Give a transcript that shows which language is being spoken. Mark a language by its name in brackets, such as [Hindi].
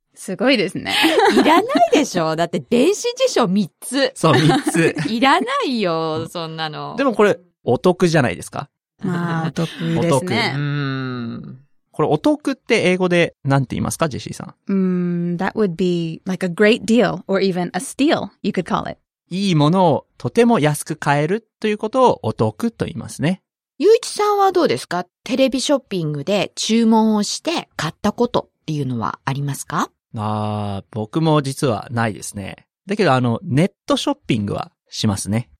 [Japanese] すごいですね。いらないでしょ。だって電子辞書3つ。そう、3つ。いらないよ、そんなの。でもこれ、お得じゃないですか。まあ、お得ですね。これお得って英語でなんて言いますか、ジェシーさん。 [English] That would be like a great deal or even a steal, you could call it. [Japanese] いいものをとても安く買えるということをお得と言いますね。ゆういちさんはどうですか？テレビショッピングで注文をして買ったことっていうのはありますか？ああ、僕も実はないですね。だけどネットショッピングはしますね。